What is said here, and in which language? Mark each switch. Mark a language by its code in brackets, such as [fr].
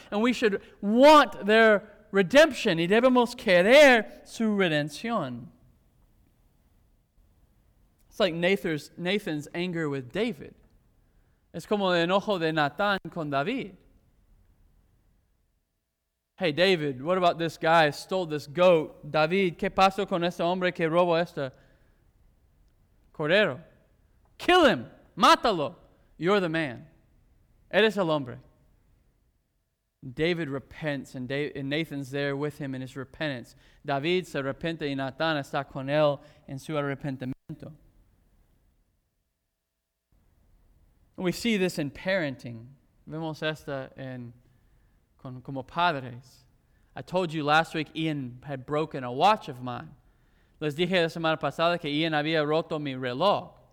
[en] And we should want their redemption. [es] Y debemos querer su redención. [en] It's like Nathan's anger with David. [es] Es como el enojo de Nathan con David. [en] Hey, David, what about this guy who stole this goat? [es] David, ¿qué pasó con este hombre que robó este cordero? [en] Kill him. [es] Mátalo. [en] You're the man. [es] Eres el hombre. [en] David repents, and Nathan's there with him in his repentance. [es] David se arrepiente y Nathan está con él en su arrepentimiento. [en] We see this in parenting. [es] Vemos esta en como padres. [en] I told you last week Ian had broken a watch of mine. [es] Les dije la semana pasada que Ian había roto mi reloj.